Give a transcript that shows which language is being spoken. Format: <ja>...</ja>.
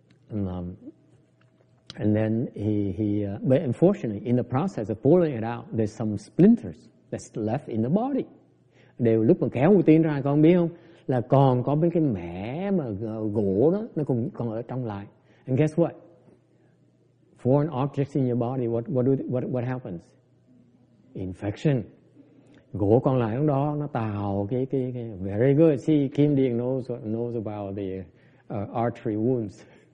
<en>And then he, but unfortunately, in the process of pulling it out, there's some splinters that's left in the body.</en> <vi>Đều lúc mà kéo mũi tên ra, con biết không? Là còn có mấy cái mẻ mà gỗ đó, nó còn ở trong lại.</vi> <en>And guess what? Foreign objects in your body, what happens? Infection.</en> <vi>Gỗ còn lại trong đó, nó tạo cái,</vi> <en>very good. See, Kim Điền knows about the artery wounds.</en>